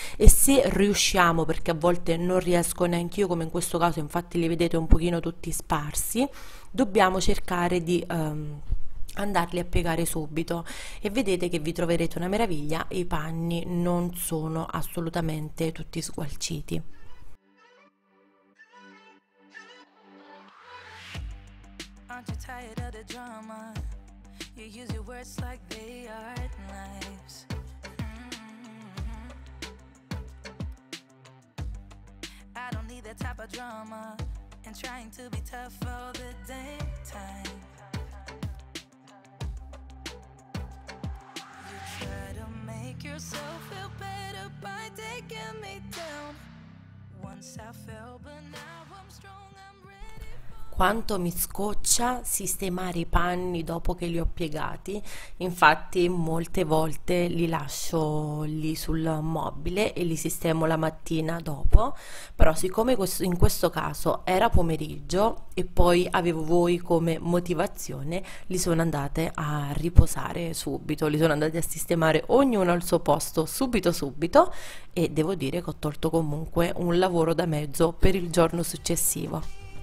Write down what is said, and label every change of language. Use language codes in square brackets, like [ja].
[it] E se riusciamo, perché a volte non riesco neanche io, come in questo caso, infatti li vedete un pochino tutti sparsi, dobbiamo cercare di andarli a piegare subito e vedete che vi troverete una meraviglia, i panni non sono assolutamente tutti sgualciti. [en] Aren't you tired of the drama? You use your words like they are knives. I don't need that type of drama. And trying to be tough all the damn time. You try to make yourself feel better by taking me down. Once I fell, but now I'm strong. [it] Quanto mi scoccia sistemare i panni dopo che li ho piegati, infatti molte volte li lascio lì sul mobile e li sistemo la mattina dopo, però siccome in questo caso era pomeriggio e poi avevo voi come motivazione, li sono andate a riposare subito, li sono andate a sistemare ognuno al suo posto subito subito e devo dire che ho tolto comunque un lavoro da mezzo per il giorno successivo.